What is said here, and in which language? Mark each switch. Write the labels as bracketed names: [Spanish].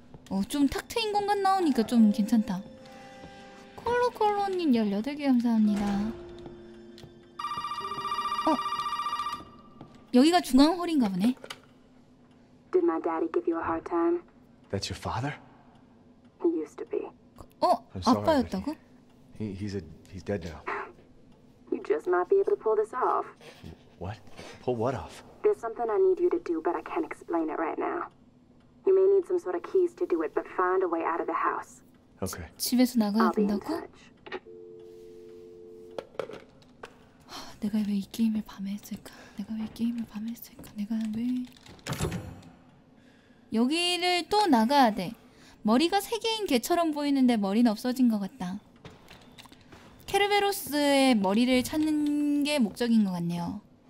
[Korean] 어, 좀 탁 트인 공간 나오니까 좀 괜찮다. 콜로콜로님 18개 감사합니다. 어? 여기가 중앙 홀인가 보네. [English] Did my daddy give you a hard time? That's your father? He used to be. [Korean] 어? 아빠였다고? [English] He's dead now. You just might be able to pull this off. What? Pull what off? There's something I need you to do, but I can't explain it right now. You may need some sort of keys to do it, but find a way out of the house. Okay. [Korean] 집에서 나가야 된다고? 하, 내가 왜 이 게임을 밤에 했을까? 내가 왜 이 게임을 밤에 했을까? 내가 왜 여기를 또 나가야 돼. 머리가 세 개인 개처럼 보이는데 머리는 없어진 것 같다. 케르베로스의 머리를 찾는 게 목적인 것 같네요.